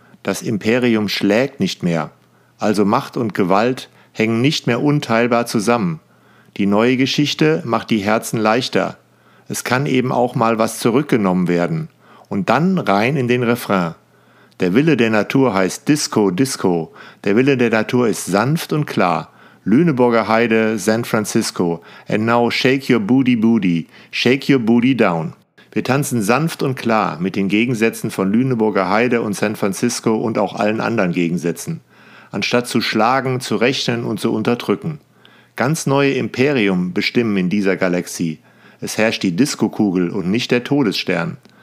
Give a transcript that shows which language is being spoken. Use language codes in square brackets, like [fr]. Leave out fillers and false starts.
[de] Das Imperium schlägt nicht mehr. Also Macht und Gewalt hängen nicht mehr unteilbar zusammen. Die neue Geschichte macht die Herzen leichter. Es kann eben auch mal was zurückgenommen werden. Und dann rein in den Refrain. Der Wille der Natur heißt Disco, Disco. Der Wille der Natur ist sanft und klar. Lüneburger Heide, San Francisco. [en] And now shake your booty, booty. Shake your booty down. [de] Wir tanzen sanft und klar mit den Gegensätzen von Lüneburger Heide und San Francisco und auch allen anderen Gegensätzen, anstatt zu schlagen, zu rechnen und zu unterdrücken. Ganz neue Imperium bestimmen in dieser Galaxie. Es herrscht die Disco-Kugel und nicht der Todesstern.